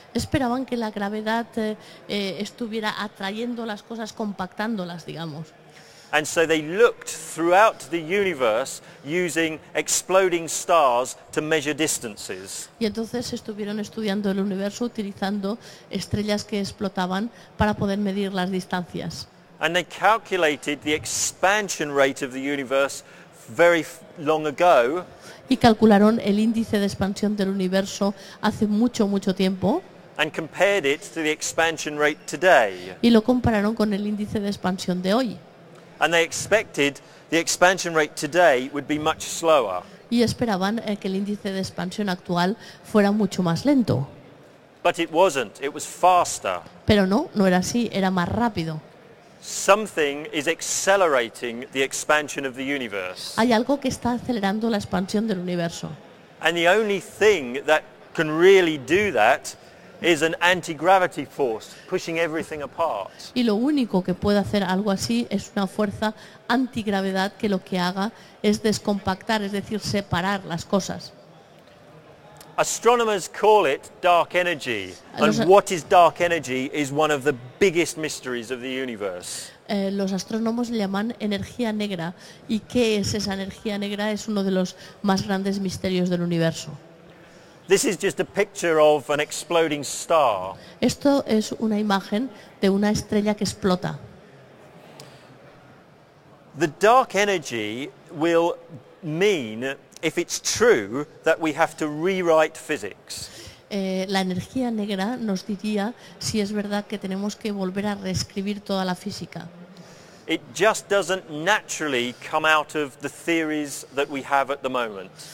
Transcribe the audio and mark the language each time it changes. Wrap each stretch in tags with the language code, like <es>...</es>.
<es>Esperaban que la gravedad estuviera atrayendo las cosas, compactándolas, digamos.</es> <en>And so they looked throughout the universe using exploding stars to measure distances.</en> <es>Y entonces estuvieron estudiando el universo utilizando estrellas que explotaban para poder medir las distancias.</es> <en>And they calculated the expansion rate of the universe very long ago.</en> <es>y calcularon el índice de expansión del universo hace mucho, mucho tiempo.</es> <en>And compared it to the expansion rate today.</en> <es>Y lo compararon con el índice de expansión de hoy.</es> <en>And they expected the expansion rate today would be much slower.</en> <es>Y esperaban que el índice de expansión actual fuera mucho más lento.</es> <en>But it wasn't. It was faster.</en> <es>Pero no, no era así, era más rápido.</es> <en>Something is accelerating the expansion of the universe.</en> <es>Hay algo que está acelerando la expansión del universo.</es> <en>And the only thing that can really do that is an anti-gravity force pushing everything apart.</en> <es>Y lo único que puede hacer algo así es una fuerza antigravedad que lo que haga es descompactar, es decir, separar las cosas.</es> <en>Astronomers call it dark energy, and what is dark energy is one of the biggest mysteries of the universe.</en> <es>Los astrónomos le llaman energía negra, y qué es esa energía negra es uno de los más grandes misterios del universo.</es> <en>This is just a picture of an exploding star.</en> <es>Esto es una imagen de una estrella que explota.</es> <en>The dark energy will mean, if it's true, that we have to rewrite physics.</en> <es>La energía negra nos diría si es verdad que tenemos que volver a reescribir toda la física.</es> <en>It just doesn't naturally come out of the theories that we have at the moment.</en>